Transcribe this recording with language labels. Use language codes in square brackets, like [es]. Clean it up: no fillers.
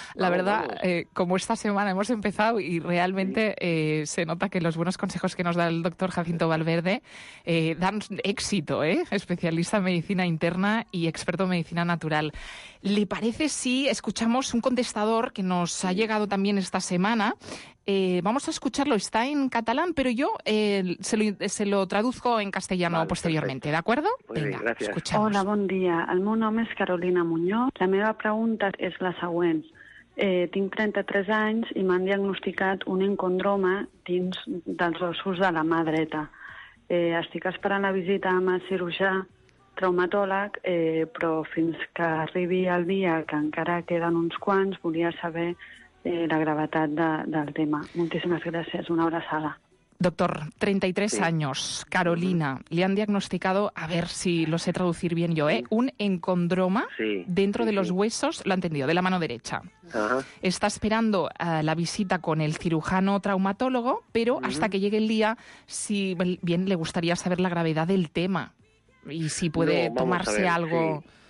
[es] La verdad, como esta semana hemos empezado y realmente se nota que los buenos consejos que nos da el doctor Jacinto Valverde dan éxito, especialista en medicina interna y experto en medicina natural. ¿Le parece si escuchamos un contestador que nos ha llegado también esta semana? Vamos a escucharlo, está en catalán, pero yo se lo traduzco en castellano posteriormente, ¿De acuerdo? Gracias. Escuchamos. [ca] Hola, bon dia. El meu nom és Carolina Muñoz. La meva pregunta és la següent. Tinc 33 anys i m'han diagnosticat un encondroma dins dels ossos de la mà dreta. Estic esperant la visita amb el cirurgià traumatòleg, però fins que arribi el dia, que encara queden uns quants, volia saber la gravetat del tema. Moltíssimes gràcies. Una abraçada. [es] Doctor, 33 años, Carolina, le han diagnosticado, a ver si lo sé traducir bien yo, un encondroma dentro de los huesos, lo ha entendido, de la mano derecha. Ajá. Está esperando la visita con el cirujano traumatólogo, pero hasta que llegue el día, si bien le gustaría saber la gravedad del tema y si puede tomarse algo...